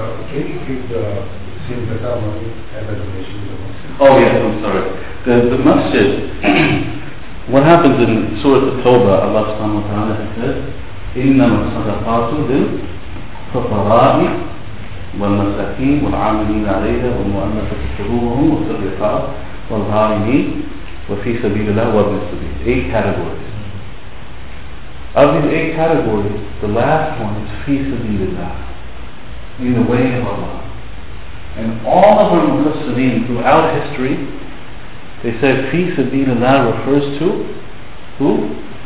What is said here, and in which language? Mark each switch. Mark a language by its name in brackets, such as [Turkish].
[English] Can you give the Sin Bhatama evaluation? Oh, yes, I'm sorry. The masjid, what happens in Surah At-Tawbah, Allah subhanahu wa ta'ala says, [Arabic] إِنَّمَا صَدَقَاتُ لِلْفُقَرَاءِ والمساكين والعاملين عليها والمؤلفة قلوبهم والصدقات والغارمين وفي سبيل الله وابن السبيل. [English] Eight categories. Of these eight categories, the last one is [Arabic] في سبيل الله, [English] in the way of Allah. And all of our Muslims throughout history, they said [Arabic] في سبيل الله [English] refers to who?